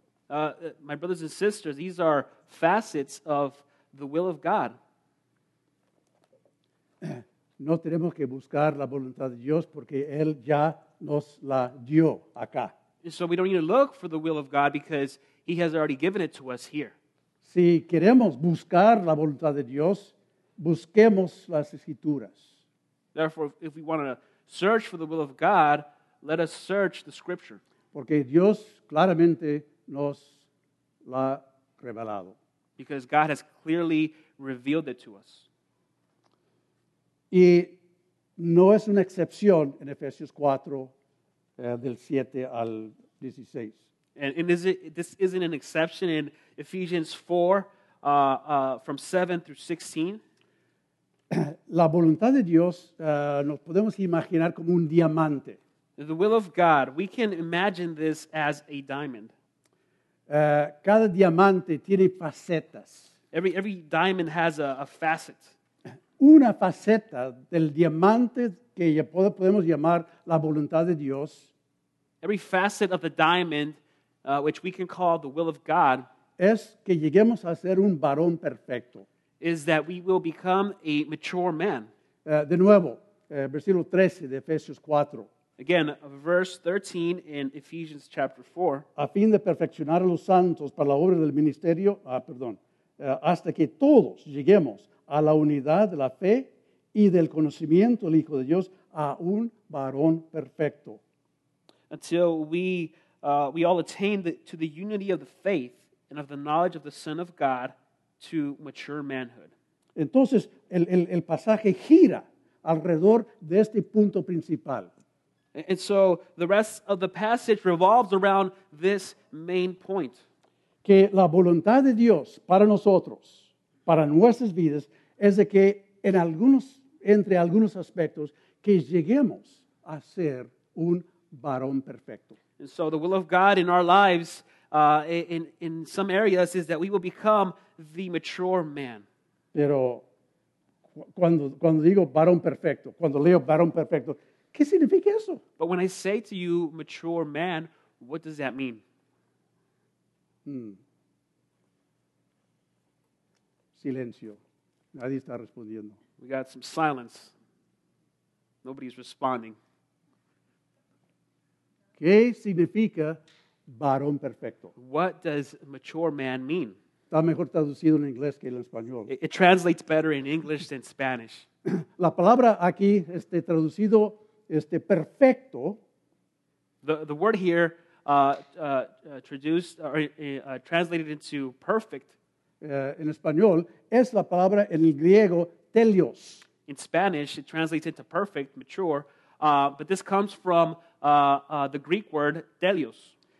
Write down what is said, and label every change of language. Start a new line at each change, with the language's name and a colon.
English: My brothers and sisters, these are facets of the will of God.
Spanish: No tenemos que buscar la voluntad de Dios porque Él ya nos la dio acá.
English: And so we don't need to look for the will of God because He has already given it to us here.
Spanish: Si queremos buscar la voluntad de Dios, busquemos las Escrituras.
English: Therefore, if we want to search for the will of God, let us search the Scripture.
Spanish: Porque Dios claramente nos la ha revelado.
English: Because God has clearly revealed it to us.
Spanish: Y no es una excepción en Efesios 4, del 7 al 16.
English: And is it, this isn't an exception in Ephesians 4, from 7 through 16.
Spanish: La voluntad de Dios nos podemos imaginar como un diamante.
English: The will of God, we can imagine this as a diamond.
Spanish: Cada diamante tiene facetas.
English: Every diamond has a facet.
Spanish: Una faceta del diamante que ya podemos llamar la voluntad de Dios.
English: Every facet of the diamond, which we can call the will of God,
Spanish: es que lleguemos a ser un varón perfecto.
English: Is that we will become a mature man.
Spanish: De nuevo, versículo 13 de Efesios 4.
English: Again, verse 13 in Ephesians chapter 4.
Spanish: A fin de perfeccionar a los santos para la obra del ministerio, hasta que todos lleguemos a la unidad de la fe y del conocimiento del Hijo de Dios, a un varón perfecto.
English: Until we all attain to the unity of the faith and of the knowledge of the Son of God to mature manhood.
Spanish: Entonces, el pasaje gira alrededor de este punto principal.
English: And so the rest of the passage revolves around this main point.
Spanish: Que la voluntad de Dios para nosotros, para nuestras vidas, es de que entre algunos aspectos, que lleguemos a ser un varón perfecto.
English: And so the will of God in our lives, in some areas, is that we will become the mature man.
Spanish: Pero cuando digo varón perfecto, cuando leo varón perfecto, ¿qué significa eso?
English: But when I say to you, mature man, what does that mean?
Spanish: Silencio. Nadie está respondiendo.
English: We got some silence. Nobody's responding.
Spanish: ¿Qué significa varón perfecto?
English: What does mature man mean?
Spanish: Está mejor traducido en inglés que en español.
English: It translates better in English than Spanish.
Spanish: La palabra aquí, traducido, perfecto.
English: The word here, translated into perfect.
Spanish: En español, es la palabra en el griego, telios.
English: In Spanish, it translates into perfect, mature. But this comes from the Greek word, telios.